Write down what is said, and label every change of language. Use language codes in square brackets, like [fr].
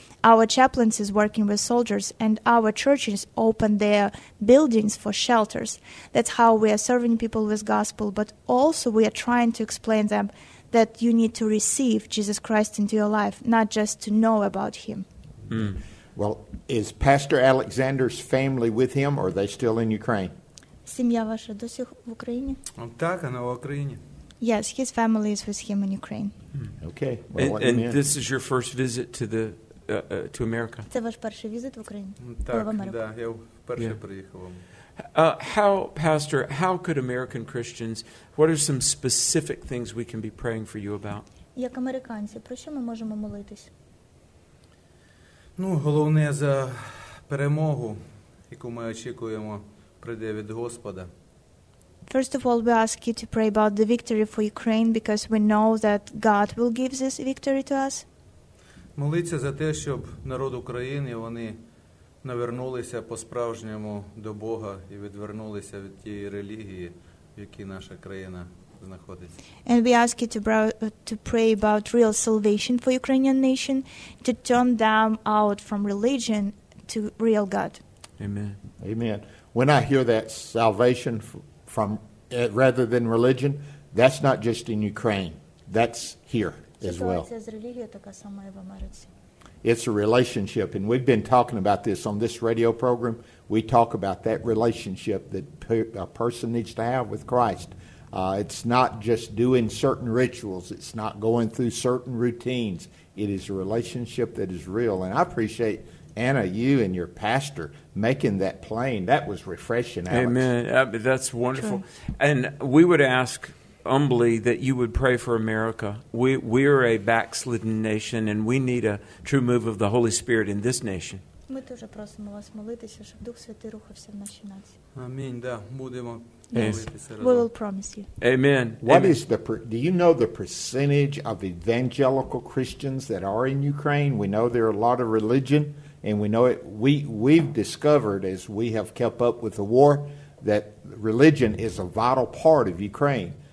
[en] Our chaplains is working with soldiers, and our churches open their buildings for shelters. That's how we are serving people with gospel, but also we are trying to explain them that you need to receive Jesus Christ into your life, not just to know about him. Mm. Well, is Pastor Alexander's family with him, or are they still in Ukraine? [uk] Сім'я ваша до сих в Україні? Так, вона в Україні. [en] Yes, his family is with him in Ukraine. Okay. Well, and this is your first visit to the to America? [uk] Це ваш перший візит в Україні? Так, так, я вперше приїхав. [en] How could American Christians, what are some specific things we can be praying for you about? [uk] Як американці, про що ми можемо молитись? Ну, головне за перемогу, яку ми очікуємо, прийде від Господа. [en] First of all, we ask you to pray about the victory for Ukraine because we know that God will give this victory to us. [uk] Молиться за те, щоб народ України, вони навернулися по-справжньому до Бога і відвернулися від тієї релігії, в якій наша країна знаходиться. [en] And we ask you to pray about real salvation for Ukrainian nation, to turn them out from religion to real God. Amen. Amen. When I hear that salvation from rather than religion, that's not just in Ukraine. That's here as well. It's a relationship, and we've been talking about this on this radio program. We talk about that relationship that a person needs to have with Christ. It's not just doing certain rituals. It's not going through certain routines. It is a relationship that is real, and I appreciate Anna, you and your pastor making that plain. That was refreshing, Alex. Amen. That's wonderful. True. And we would ask humbly that you would pray for America. We are a backslidden nation, and we need a true move of the Holy Spirit in this nation. [uk] Ми дуже просимо вас молитися, щоб Дух Святий рухався в нашій нації. Амінь, да. Будемо. [en] Yes. We will promise you. Amen. Do you know the percentage of evangelical Christians that are in Ukraine? We know there are a lot of religion. And we know it. We've discovered, as we have kept up with the war, that religion is a vital part of Ukraine.